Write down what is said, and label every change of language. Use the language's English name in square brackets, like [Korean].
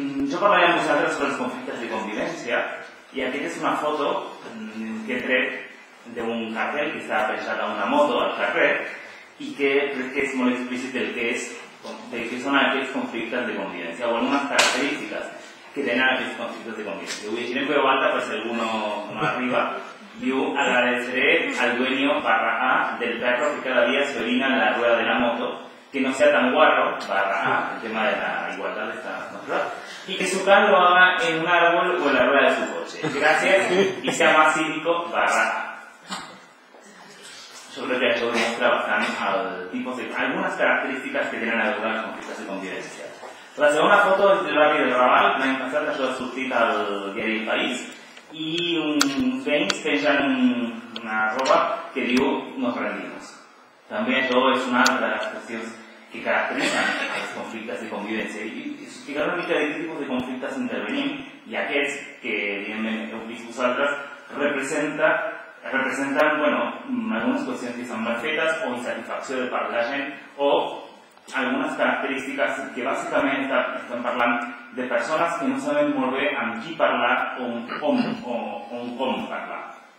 [Catalan] Jo parlaré amb vosaltres sobre els conflictes de convivència i aquí és una foto que trec d'un cartel que està penjat a una moto al carrer i que crec que és molt explícit del que és, de què són aquests conflictes de convivència o algunes característiques que tenen aquests conflictes de convivència. Ho llegirem veu alta per si algú no arriba. [Spanish] Diu, agradeceré al dueño barra A del perro que cada dia se orina en la rueda de la moto, que no sea tan guarro, barra A, el tema de la igualdad está controlado, y que su carro lo haga en un árbol o en la rueda de su coche. Gracias, y sea más cívico, barra A. Yo creo que esto demuestra bastante al tipo de, algunas características que tienen a ver con los conflictos de convivencia. La segunda foto es del barrio del Raval, que me encanta que yo he surtido al diario El País, [Catalan] i uns veïns pengen una roba que diu [Spanish] nos rendimos. [Catalan] També això és una altra de les qüestions que caracteritzen els conflictes de convivència. I explicar una mica de quin tipus de conflictes intervenim i aquests, que evidentment heu vist vosaltres, representen bueno, algunes qüestions que s'han fetes o insatisfacció de part de la gent o algunes característiques que bàsicament estem parlant de persones que no saben molt bé amb qui parlar o com parlar.